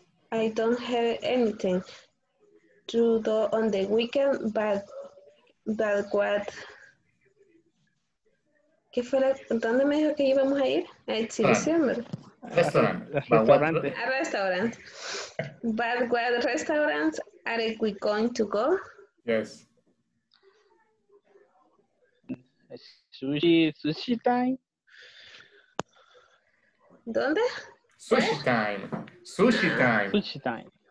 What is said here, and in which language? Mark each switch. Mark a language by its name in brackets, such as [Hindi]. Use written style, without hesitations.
[English] I don't have anything to do on the weekend, but what? [Spanish] ¿Qué fue la, dónde me dijo que íbamos a ir? A exhibición, ¿verdad? A restaurant. [English] But what restaurants are we going to go? Yes. Sushi time. [Spanish] ¿Dónde? [English] Sushi time.